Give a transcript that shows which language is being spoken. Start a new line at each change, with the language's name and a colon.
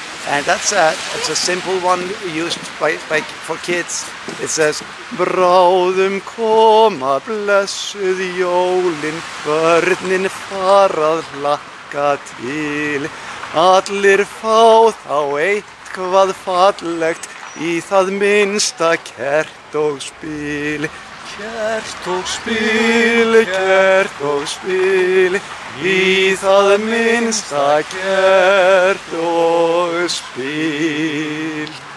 English: And that's it's a simple one used by for kids. It says,
Icelandic: Bráðum koma blessuð jólin, börnin fara að hlakka til. Allir fá þá eitthvað fallegt í það minnsta kert og spil. Kert og spil, kert og spil. Í það minnsta kert og spil.